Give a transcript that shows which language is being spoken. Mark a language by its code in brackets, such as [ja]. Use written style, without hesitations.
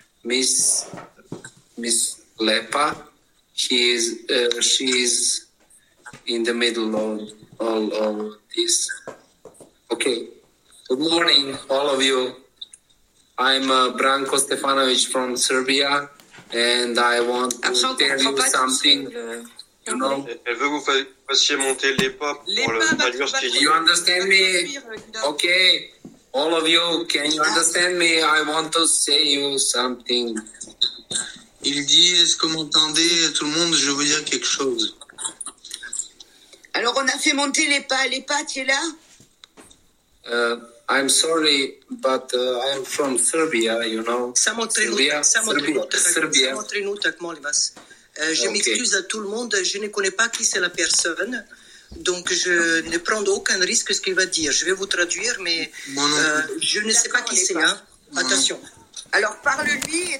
[en] Miss Lepa, she is in the middle of all of this. Okay. Good morning, all of you. I'm Branko Stefanović from Serbia, and I want to tell you something. [fr] Non. Elle veut que vous fassiez monter les pas pour le traduire ce qu'il dit. [en] You understand me? Okay. All of you, can you understand me? I want to say you something. [fr] Il dit, est-ce que vous entendez tout le monde? Je veux dire quelque chose. Alors, on a fait monter les pas. Les pas, tu es là? [en] I'm sorry, but I'm from Serbia, you know. Serbia. [fr] Je m'excuse à tout le monde, je ne connais pas qui c'est la personne, donc je ne prends aucun risque ce qu'il va dire. Je vais vous traduire, mais je ne sais pas qui c'est. Hein. Attention. Alors parle-lui et